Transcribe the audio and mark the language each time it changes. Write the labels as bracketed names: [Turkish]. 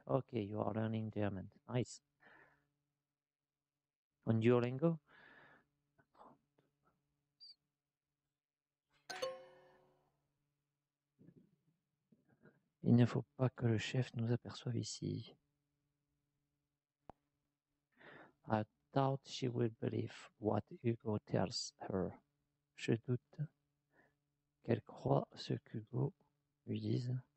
[English] Okay, you are learning German. Nice. On Duolingo? [French] Il ne faut pas que le chef nous aperçoive ici. [English] I doubt she will believe what Hugo tells her. [French] Je doute qu'elle croit ce qu'Hugo lui dise.